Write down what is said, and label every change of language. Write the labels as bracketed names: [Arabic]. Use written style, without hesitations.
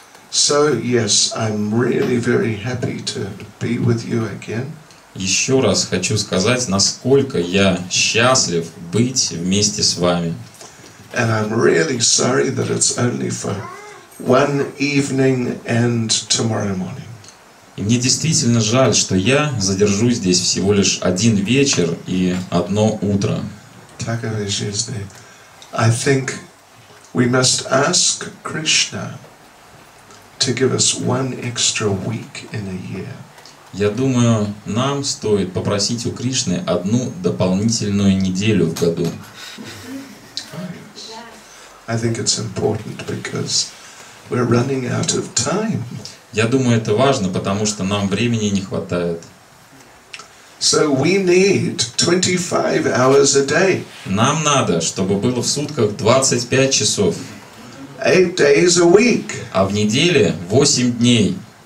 [English] So yes, I'm really very happy to be with you again. [Russian] Еще раз хочу сказать, насколько я счастлив быть вместе с вами. [English] And I'm really sorry that it's only for one evening and tomorrow morning. [Russian] И мне действительно жаль, что я задержусь здесь всего лишь один вечер и одно утро. [English] I think we must ask Krishna to give us one extra week in a year. [Russian] Я думаю, нам стоит попросить у Кришны одну дополнительную неделю в году. [English] I think it's important because we're running out of time. [Russian] Я думаю, это важно, потому что нам времени не хватает. [English] So we need 25 hours a day. [Russian] Нам надо, чтобы было в сутках 25 часов. [English] 8 days a week. [Russian] А в неделе 8 дней.